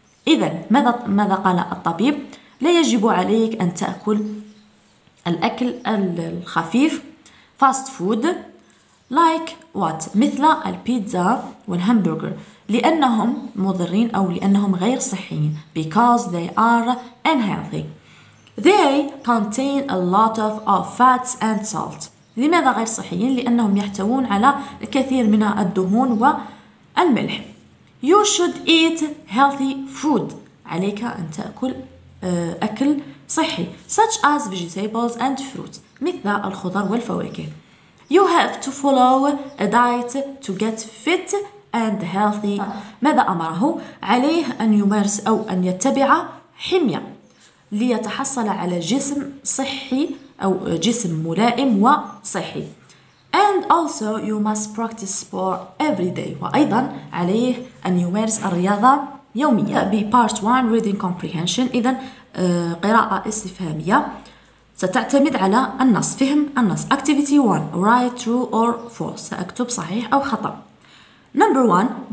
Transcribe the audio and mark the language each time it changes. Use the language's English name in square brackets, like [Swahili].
[Arabic] إذا ماذا قال الطبيب؟ لا يجب عليك أن تأكل الأكل الخفيف [English] fast food like what، [Arabic] مثل البيتزا والهامبرجر، لأنهم مضرين أو لأنهم غير صحيين. [English] Because they are unhealthy. They contain a lot of fats and salt. [Arabic] لماذا غير صحيين؟ لأنهم يحتوون على الكثير من الدهون والملح. [English] You should eat healthy food. [Arabic] عليك أن تأكل أكل صحي. [English] Such as vegetables and fruit. [Arabic] مثل الخضار والفواكه. [English] You have to follow a diet to get fit and healthy. [Arabic] ماذا أمره؟ عليه أن يمارس أو أن يتبع حمية ليتحصل على جسم صحي أو جسم ملائم وصحي. [English] And also you must practice sport every day. [Arabic] وأيضا عليه أن يمارس الرياضة يوميا. [English] Part 1 reading comprehension. [Arabic] إذن قراءة استفهامية ستعتمد على النص، فهم النص. [English] Activity 1. Write true or false. [Arabic] سأكتب صحيح أو خطأ. [English] Number 1.